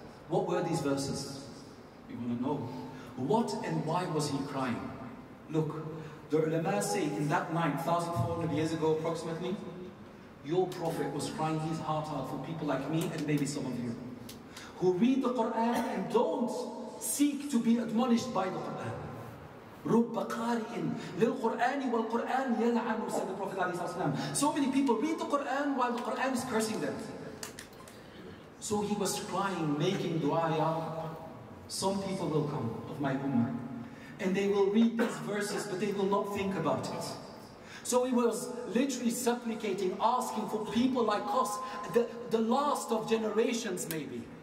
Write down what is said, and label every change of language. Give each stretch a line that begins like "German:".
English: What were these verses? You want to know. What and why was he crying? Look, the ulama say in that night, 1400 years ago approximately, your prophet was crying his heart out for people like me and maybe some of you. Who read the Qur'an and don't seek to be admonished by the Qur'an.
Arabic: رُبَّ قَارِئٍ لِلْقُرْآنِ وَالْقُرْآنِ يَلْعَنُ
English: said the Prophet ﷺ. So many people read the Qur'an while the Qur'an is cursing them. So he was crying, making dua, Ya Rab. Some people will come of my ummah. And they will read these verses, but they will not think about it. So he was literally supplicating, asking for people like us, the last of generations maybe.